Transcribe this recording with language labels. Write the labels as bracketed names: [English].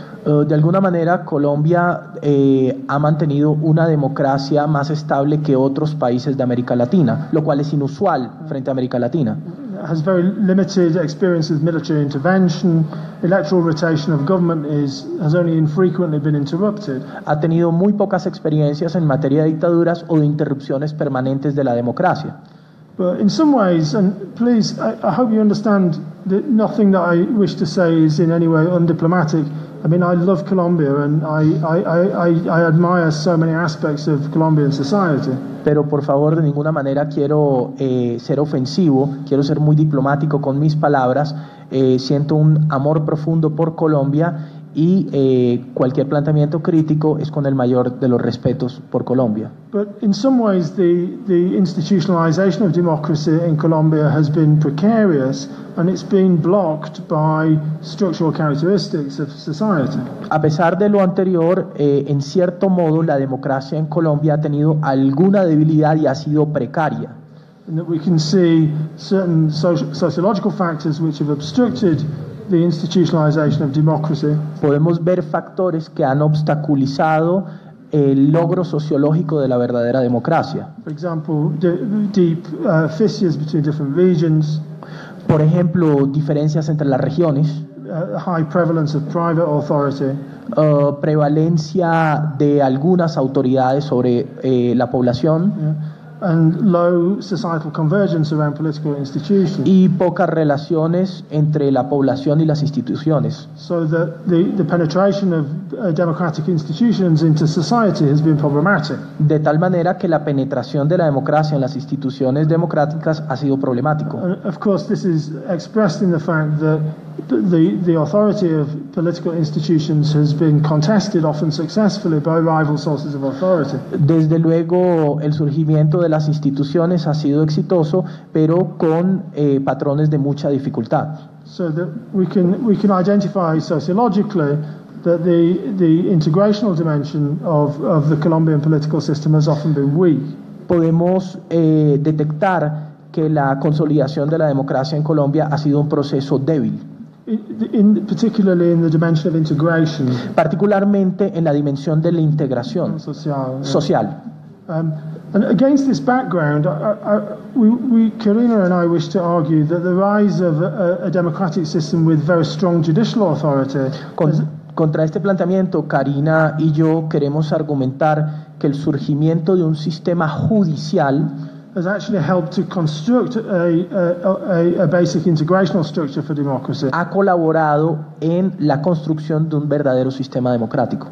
[Spanish] De alguna manera, Colombia ha mantenido una democracia más estable que otros países de América Latina, lo cual es inusual frente a América Latina. [English] Has very limited experience with military intervention. Electoral rotation of government has only infrequently been interrupted. [Spanish] Ha tenido muy pocas experiencias en materia de dictaduras o de interrupciones permanentes de la democracia. [English] But in some ways, and please, I hope you understand that nothing that I wish to say is in any way undiplomatic. I mean, I love Colombia and I admire so many aspects of Colombian society. [Spanish] Pero por favor, de ninguna manera quiero ser ofensivo, quiero ser muy diplomático con mis palabras. Siento un amor profundo por Colombia y cualquier planteamiento crítico es con el mayor de los respetos por Colombia. [English] But in some ways the institutionalization of democracy in Colombia has been precarious and it's been blocked by structural characteristics of society. [Spanish] A pesar de lo anterior, en cierto modo la democracia en Colombia ha tenido alguna debilidad y ha sido precaria. [English] And that we can see certain sociological factors which have obstructed the institutionalization of democracy. [Spanish] Podemos ver factores que han obstaculizado el logro sociológico de la verdadera democracia. [English] For example, deep fissures between different regions. [Spanish] Por ejemplo, diferencias entre las regiones. [English] High prevalence of private authority. [Spanish] Prevalencia de algunas autoridades sobre la población. Yeah. [English] And low societal convergence around political institutions. [Spanish] Y pocas relaciones entre la población y las instituciones. [English] So that the penetration of democratic institutions into society has been problematic. [Spanish] De tal manera que la penetración de la democracia en las instituciones democráticas ha sido problemático. [English] And of course, this is expressed in the fact that the authority of political institutions has been contested, often successfully, by rival sources of authority. [Spanish] Desde luego, el surgimiento de las instituciones ha sido exitoso, pero con patrones de mucha dificultad. [English] So that we can identify sociologically that the integrational dimension of the Colombian political system has often been weak. [Spanish] Podemos detectar que la consolidación de la democracia en Colombia ha sido un proceso débil. [English] Particularly in the dimension of integration. [Spanish] Particularmente en la dimensión de la integración social. [English] And against this background, Karina and I wish to argue that the rise of a democratic system with very strong judicial authority. [Spanish] Contra este planteamiento, Karina y yo queremos argumentar que el surgimiento de un sistema judicial [English] has actually helped to construct a basic integrational structure for democracy. [Spanish] Ha colaborado en la construcción de un verdadero sistema democrático.